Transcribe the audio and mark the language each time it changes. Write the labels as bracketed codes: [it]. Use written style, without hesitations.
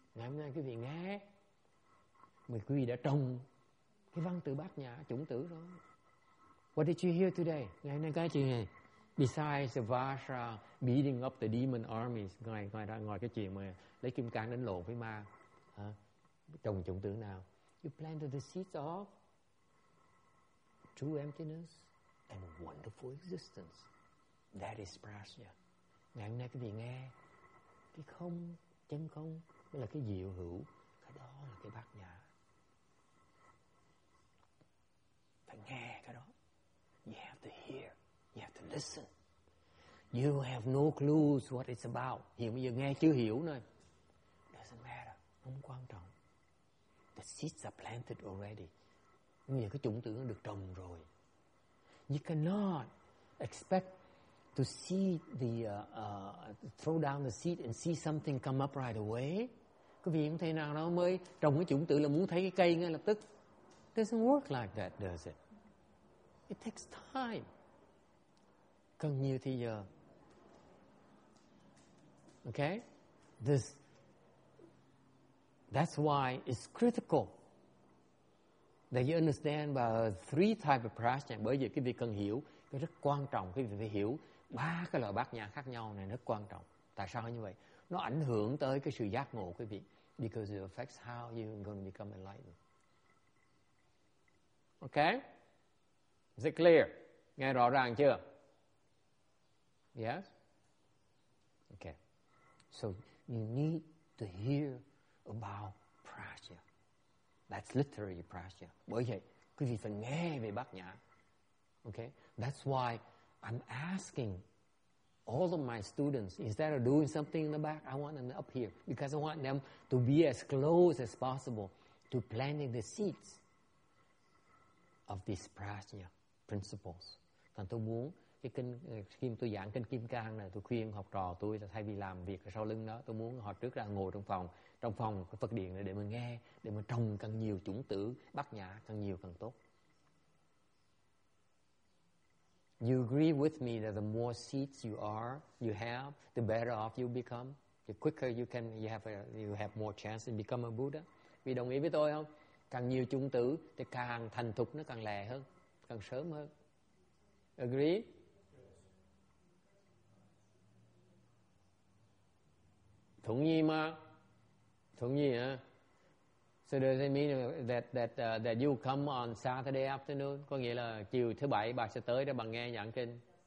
[vi] Ngày hôm nay quý vị nghe, mời quý vị đã trồng cái văn tự bát nhã chủng tử rồi. [en] What did you hear today? [vi] Ngày nay cái chuyện này, [en] besides the Vajra beating up the demon armies, [vi] ngoài cái chuyện mà lấy kim cang đánh lộn với ma, trồng chủng tử nào? [en] You planted the seeds of true emptiness and wonderful existence. That is prajna. [vi] Ngày hôm nay quý vị nghe, cái không, chân không, đó là cái diệu hữu, cái đó là cái bát nhã. Phải nghe cái đó. [en] You have to hear. You have to listen. You have no clues what it's about. [vi] Hiểu bây giờ nghe chưa hiểu nữa. [en] Doesn't matter. [vi] Không quan trọng. [en] The seeds are planted already. [vi] Nghĩa cái chủng tử nó được trồng rồi. [en] You cannot expect to see the throw down the seed and see something come up right away. [vi] Quý vị không thể nào nó mới trồng cái chủng tử là muốn thấy cái cây ngay lập tức. [en] Doesn't work like that, does it? It takes time. [vi] Cần nhiều thì giờ. [en] Okay? That's why it's critical that you understand about three types of prajna. [vi] Bởi vì cái việc cần hiểu, cái rất quan trọng, cái việc phải hiểu ba cái loại bát nhã khác nhau này rất quan trọng. Tại sao như vậy? Nó ảnh hưởng tới cái sự giác ngộ quý vị. [en] Because it affects how you're going to become enlightened. Okay? Is it clear? [vi] Nghe rõ ràng chưa? [en] Yes? Okay. So you need to hear about prajna. That's literally prajna. [vi] Bởi vậy, quý vị phải nghe về bát nhã. [en] Okay? That's why I'm asking all of my students, instead of doing something in the back, I want them up here. Because I want them to be as close as possible to planting the seeds of this prajna. Principles. [vi] Còn tôi muốn cái kinh khi tôi giảng kinh Kim Cang này, tôi khuyên học trò tôi là thay vì làm việc ở sau lưng đó, tôi muốn họ trước ra ngồi trong phòng Phật điện để mà nghe, để mà trồng càng nhiều chủng tử bát nhã càng nhiều càng tốt. [en] You agree with me that the more seeds you have, the better off you become, the quicker you have more chance to become a Buddha. [vi] Vì đồng ý với tôi không? Càng nhiều chủng tử thì càng thành thục nó càng lẹ hơn. Càng sớm hơn. [en] Agree? Yes. [vi] Thuận nhiên mà. Thuận nhiên hả? [en] So does that mean that you come on Saturday afternoon? [vi] Có nghĩa là chiều thứ bảy bà sẽ tới để bà nghe giảng kinh.